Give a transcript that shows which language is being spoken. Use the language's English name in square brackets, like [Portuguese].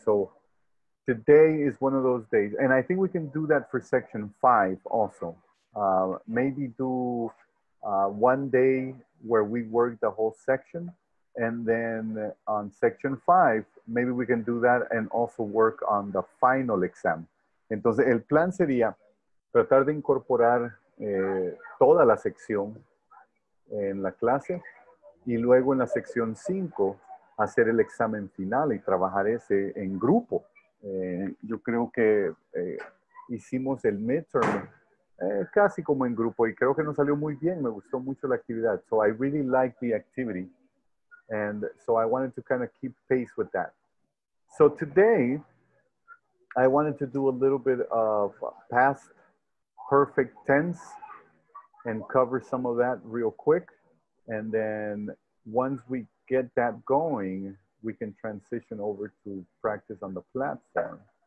[English] So today is one of those days. And I think we can do that for section 5 also. Maybe do one day where we work the whole section. And then on section 5, maybe we can do that and also work on the final exam. [Spanish] Entonces, el plan sería tratar de incorporar toda la sección en la clase y luego en la sección 5 hacer el examen final y trabajar ese en grupo. Yo creo que hicimos el midterm casi como en grupo y creo que nos salió muy bien. Me gustó mucho la actividad. [English] So, I really like the activity. And so, I wanted to kind of keep pace with that. So, today... I wanted to do a little bit of past perfect tense and cover some of that real quick. And then once we get that going, we can transition over to practice on the platform.